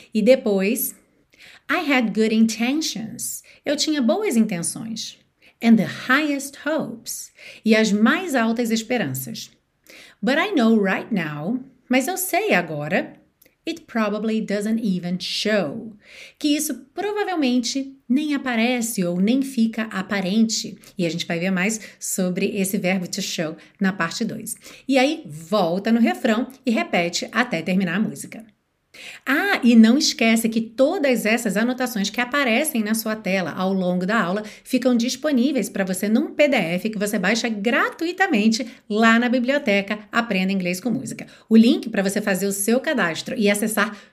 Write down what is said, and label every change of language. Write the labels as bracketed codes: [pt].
[en] E depois, I had good intentions. [pt] Eu tinha boas intenções. [en] And the highest hopes. [pt] E as mais altas esperanças. [en] But I know right now. [pt] Mas eu sei agora. [en] It probably doesn't even show. [pt] Que isso provavelmente nem aparece ou nem fica aparente. E a gente vai ver mais sobre esse verbo to show na parte 2. E aí volta no refrão e repete até terminar a música. Ah, e não esquece que todas essas anotações que aparecem na sua tela ao longo da aula ficam disponíveis para você num PDF que você baixa gratuitamente lá na biblioteca Aprenda Inglês com Música. O link para você fazer o seu cadastro e acessar